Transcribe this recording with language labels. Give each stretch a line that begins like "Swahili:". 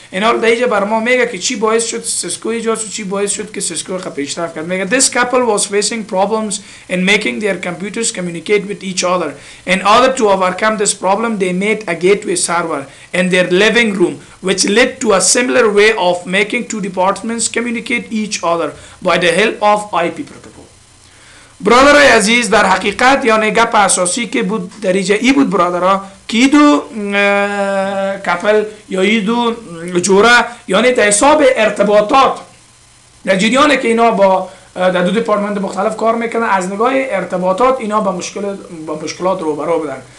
Persian: اینا رو در اینجا بر ما میگه که چی باعث شد سیسکو ایجاد شد، چی باعث شد که سیسکو خب پیشرفت کرد. میگه
English: this couple was facing problems in making their computers communicate with each other. In order to overcome this problem they made a gateway server in their living room which led to a similar way of making two departments communicate each other by the help of IP protocol.
Persian: برادرای عزیز در حقیقت یعنی گپ اساسی که بود در اینجا ای بود برادرها که دو کپل یا ای دو جوره یعنی در حساب ارتباطات در جریانه که اینا با در دو دپارتمنت مختلف کار میکنن از نگاه ارتباطات اینا با مشکلات روبرو بودن.